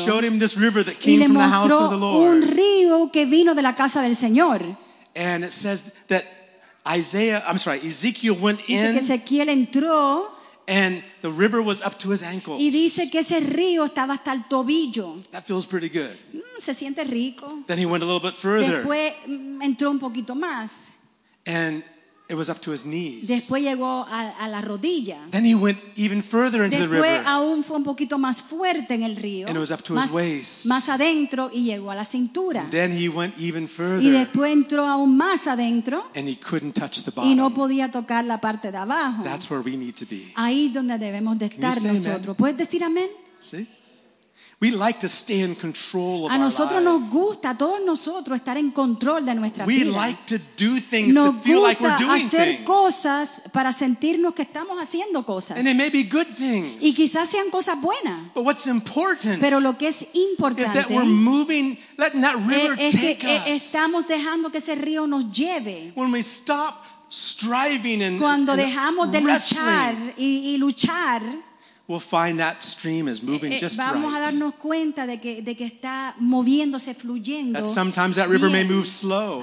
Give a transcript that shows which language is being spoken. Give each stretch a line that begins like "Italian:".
English: And showed him this river that came from the house of the Lord.
Spanish: Un río que vino de la casa del Señor.
English: And it says that Ezekiel went
Spanish: dice
English: in.
Spanish: Que Ezequiel entró.
English: And the river was up to his ankles.
Spanish: Y dice que ese río estaba hasta el tobillo.
English: That feels pretty good.
Spanish: Se siente rico.
English: Then he went a little bit further.
Spanish: Después entró un poquito más.
English: And It was up to his knees.
Spanish: Después llegó a la rodilla.
English: Then he went even further into
Spanish: Después,
English: the river.
Spanish: Después aún fue un poquito más fuerte en el río.
English: And it was up to his waist.
Spanish: Más adentro y llegó a la cintura.
English: Then he went even further.
Spanish: Y después entró aún más adentro.
English: And he couldn't touch the bottom.
Spanish: Y no podía tocar la parte de abajo.
English: That's where we need to be.
Spanish: Ahí donde debemos de estar nosotros. ¿Puedes decir amén? Sí.
English: We like to stay in control of our lives.
Spanish: A nosotros nos gusta, a todos nosotros, estar en control de nuestra
English: vida. We like to do things to feel like we're doing things.
Spanish: Nos gusta hacer cosas para sentirnos que estamos haciendo cosas.
English: And it may be good things.
Spanish: Y quizás sean cosas buenas.
English: But what's important?
Spanish: Pero lo que es importante
English: is that we're moving, letting that river take us.
Spanish: Es que estamos dejando que ese río nos lleve.
English: When we stop striving and
Spanish: cuando dejamos de luchar y luchar.
English: We'll find that stream is moving just
Spanish: vamos
English: right.
Spanish: Vamos a darnos cuenta de que está moviéndose, fluyendo.
English: That sometimes that river may move slow.